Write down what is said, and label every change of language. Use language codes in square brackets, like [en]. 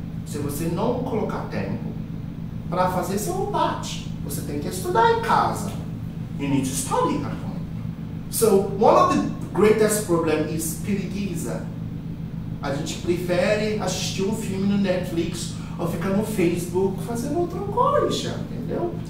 [pt] Se você não colocar tempo para fazer seu parte, você tem que estudar em casa. [en] You need to study at home. So, one of the greatest problems is [pt] preguiça. A gente prefere assistir um filme no Netflix ou ficar no Facebook fazendo outra coisa, entendeu?